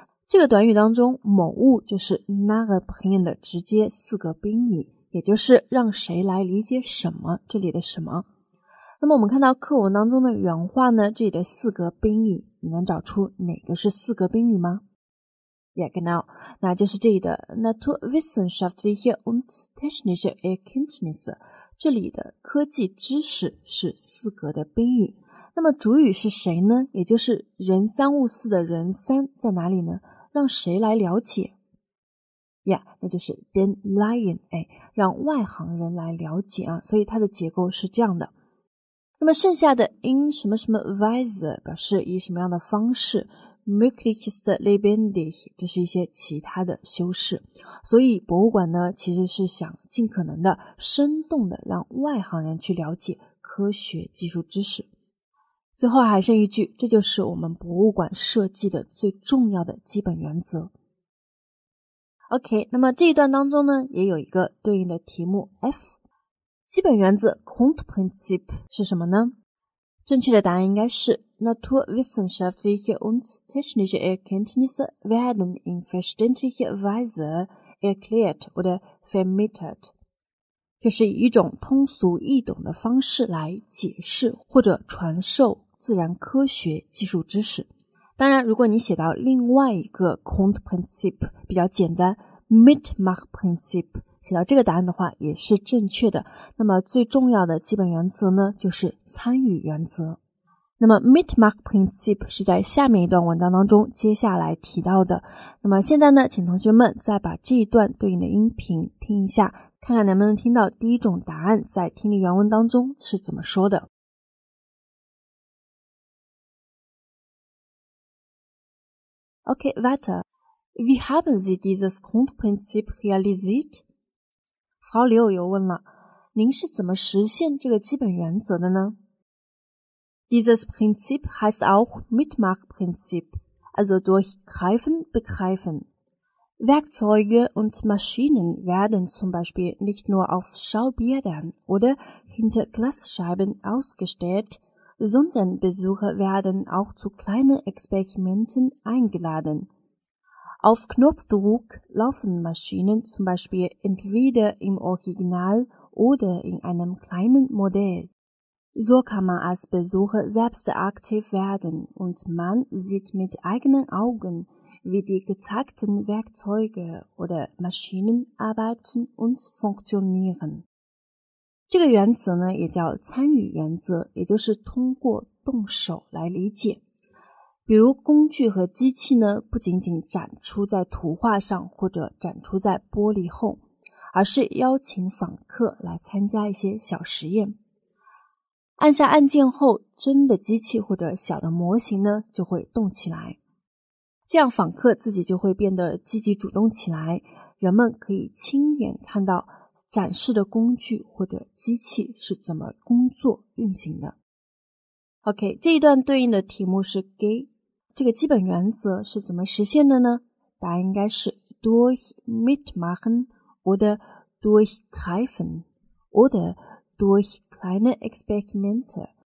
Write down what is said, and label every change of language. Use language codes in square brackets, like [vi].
[zh] 这个短语当中，某物就是 [de] nahe bringen [zh] 的直接四个宾语，也就是让谁来理解什么，这里的什么。那么我们看到课文当中的原话呢，这里的四个宾语，你能找出哪个是四个宾语吗？ [de] Ja, genau. Na, [zh] 就是这里的 [de] naturwissenschaftliche und technische Erkenntnisse. [zh] 这里的科技知识是四格的宾语。那么主语是谁呢？也就是人三物四的人三在哪里呢？让谁来了解？Ja, 那就是 [de] den Laien, [zh] 让外行人来了解啊。所以它的结构是这样的。那么剩下的 in 什么什么 Weise 表示以什么样的方式， [de] möglichst lebendig， [zh] 这是一些其他的修饰。所以博物馆呢其实是想尽可能的生动的让外行人去了解科学技术知识。最后还剩一句，这就是我们博物馆设计的最重要的基本原则。 OK， 那么这一段当中呢也有一个对应的题目 F， 基本原则 Grundprinzip 是什么呢？正确的答案应该是 [de] Naturwissenschaftliche und technische Erkenntnisse werden in verständlicher Weise erklärt oder vermittelt. [zh] 就是以一种通俗易懂的方式来解释或者传授自然科学技术知识。当然如果你写到另外一个 Grundprinzip 比较简单 Mitmachprinzip， 写到这个答案的话也是正确的。那么最重要的基本原则呢就是参与原则。那么 Mitmachprinzip 是在下面一段文章当中接下来提到的。那么现在呢，请同学们再把这一段对应的音频听一下，看看能不能听到第一种答案在听力原文当中是怎么说的。 [de] Okay, weiter. Wie haben Sie dieses Grundprinzip realisiert? [zh] Frau Liu 又问了，您是怎么实现这个基本原则的呢？ [de] Dieses Prinzip heißt auch Mitmachprinzip, also durch Greifen begreifen. Werkzeuge und Maschinen werden zum Beispiel nicht nur auf Schaubildern oder hinter Glasscheiben ausgestellt, sondern Besucher werden auch zu kleinen Experimenten eingeladen. Auf Knopfdruck laufen Maschinen zum Beispiel entweder im Original oder in einem kleinen Modell. So kann man als Besucher selbst aktiv werden und man sieht mit eigenen Augen, wie die gezeigten Werkzeuge oder Maschinen arbeiten und funktionieren. [zh] 这个原则呢也叫参与原则，也就是通过动手来理解。比如工具和机器呢不仅仅展出在图画上或者展出在玻璃后，而是邀请访客来参加一些小实验。按下按键后，真的机器或者小的模型呢就会动起来，这样访客自己就会变得积极主动起来，人们可以亲眼看到展示的工具或者机器是怎么工作运行的。 OK, 这一段对应的题目是 G, 这个基本原则是怎么实现的呢？答案应该是 [de] durch mitmachen oder durch greifen oderdurch kleine Experimente.